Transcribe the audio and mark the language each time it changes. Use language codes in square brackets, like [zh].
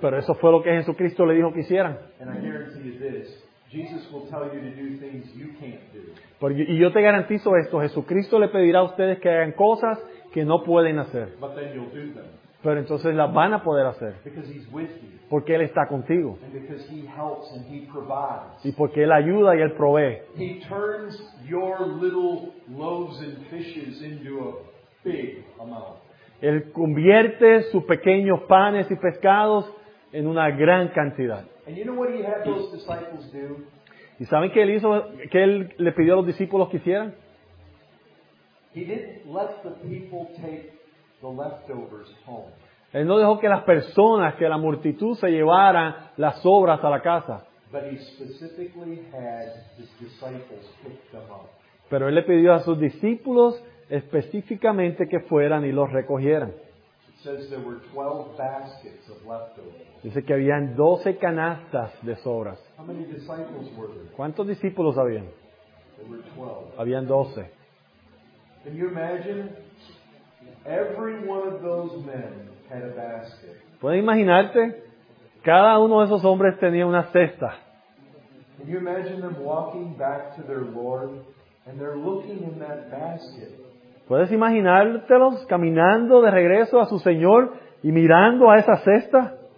[es] Pero eso fue lo que Jesucristo le dijo que hicieran. [en] And I guarantee you this. Jesus will tell you to do things you can't do. [es] Porque, y yo te garantizo esto, Jesucristo le pedirá a ustedes que hagan cosas que no pueden hacer. [en] But then you'll do them. [es] Pero entonces las van a poder hacer. [en] Because he's with you. [es] Porque Él está contigo. [en] And because he helps and he provides. [es] Y porque Él ayuda y Él provee. [en] He turns your little loaves and fishes into a big amount. [es] Él convierte sus pequeños panes y pescados en una gran cantidad. [en] And you know what he had those disciples do? [es] ¿Y saben qué él hizo, qué él le pidió a los discípulos que hicieran? [en] He didn't let the people take the leftovers home. [es] Él no dejó que las personas, que la multitud se llevaran las sobras a la casa. [en] But he specifically had his disciples pick them up. [es] Pero él le pidió a sus discípulos específicamente que fueran y los recogieran. [en] Says there were 12 baskets of leftovers. [es] Dice que habían 12 canastas de sobras. [en] How many disciples were there? [es] ¿Cuántos discípulos habían? [en] There were 12. [es] Habían 12. [en] Can you imagine? Every one of those men had a basket. [es] ¿Puedes imaginarte? Cada uno de esos hombres tenía una cesta. [en] Can you imagine them walking back to their Lord and they're looking in that basket? [es] ¿Puedes imaginártelos caminando de regreso a su Señor y mirando a esa cesta?